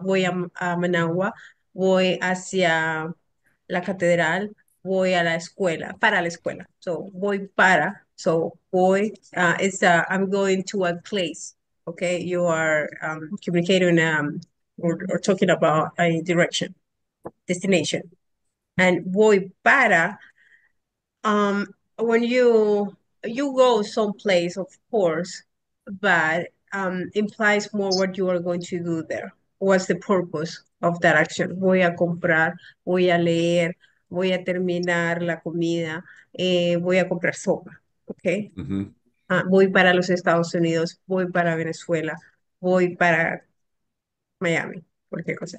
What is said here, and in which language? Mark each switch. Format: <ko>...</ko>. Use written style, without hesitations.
<es>Voy a Managua, voy hacia la catedral, voy a la escuela, para la escuela.</es> <en>So voy para, so voy, it's I'm going to a place. Okay, you are communicating or talking about a direction, destination. And voy para, when you go someplace, of course, but implies more what you are going to do there. What's the purpose of that action?</en> <es>Voy a comprar, voy a leer, voy a terminar la comida, voy a comprar sopa. Okay. Voy para los Estados Unidos, voy para Venezuela, voy para Miami, cualquier cosa.</es>